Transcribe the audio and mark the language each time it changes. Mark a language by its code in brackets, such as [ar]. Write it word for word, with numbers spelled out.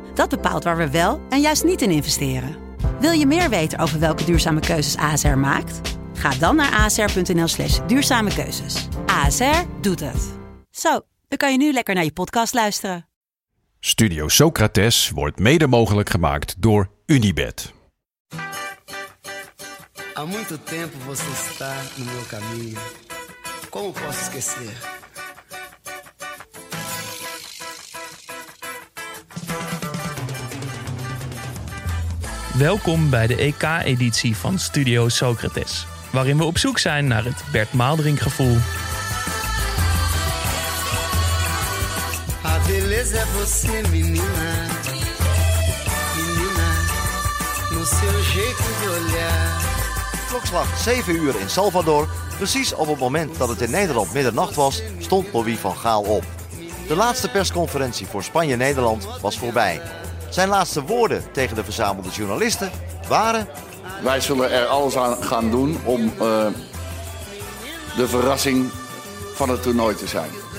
[nl] Dat bepaalt waar we wel en juist niet in investeren. Wil je meer weten over welke duurzame keuzes A S R maakt? Ga dan naar asr.nl slash duurzame keuzes. A S R doet het. Zo, dan kan je nu lekker naar je podcast luisteren. Studio Socrates wordt mede mogelijk gemaakt door Unibed. [pt] Há muito tempo você está no meu caminho. Como posso esquecer? [nl] Welkom bij de E K-editie van Studio Socrates, waarin we op zoek zijn naar het Bert Maalderink-gevoel. [pt] A beleza é você, menina. Menina, no seu jeito de olhar. [nl] Klokslag zeven uur in Salvador, precies op het moment dat het in Nederland middernacht was, stond Louis van Gaal op. De laatste persconferentie voor Spanje-Nederland was voorbij. Zijn laatste woorden tegen de verzamelde journalisten waren: wij zullen er alles aan gaan doen om uh, de verrassing van het toernooi te zijn.